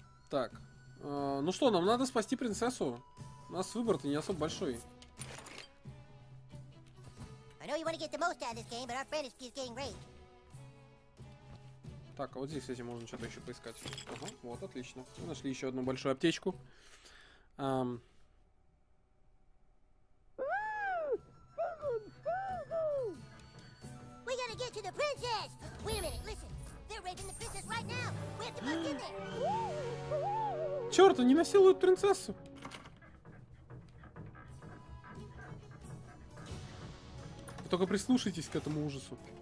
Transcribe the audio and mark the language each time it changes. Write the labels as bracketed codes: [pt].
[ru] Так, ну что, нам надо спасти принцессу. У нас выбор-то не особо большой. [en] I know you want to get the most out of this game, but our friend is getting raped. [ru] Так, а вот здесь, кстати, можно что-то еще поискать. Ага, вот, отлично. Мы нашли еще одну большую аптечку. [en] We gotta get to the princess! Wait a minute, listen! They're raping the princess right now! [ru] Черт, они насилуют принцессу. Только прислушайтесь к этому ужасу.